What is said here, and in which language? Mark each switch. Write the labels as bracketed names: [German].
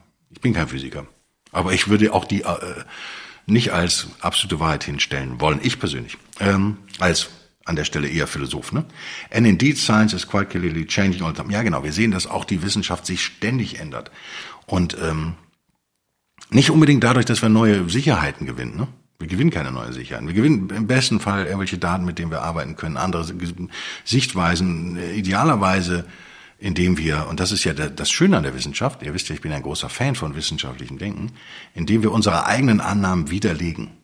[German] Ich bin kein Physiker. Aber ich würde auch die nicht als absolute Wahrheit hinstellen wollen. Ich persönlich. Als an der Stelle eher Philosoph. Ne? [English] And indeed, science is quite clearly changing all the time. [German] Ja, genau. Wir sehen, dass auch die Wissenschaft sich ständig ändert. Und nicht unbedingt dadurch, dass wir neue Sicherheiten gewinnen. Ne? Wir gewinnen keine neuen Sicherheiten. Wir gewinnen im besten Fall irgendwelche Daten, mit denen wir arbeiten können, andere Sichtweisen, idealerweise, indem wir, und das ist ja das Schöne an der Wissenschaft, ihr wisst ja, ich bin ein großer Fan von wissenschaftlichem Denken, indem wir unsere eigenen Annahmen widerlegen.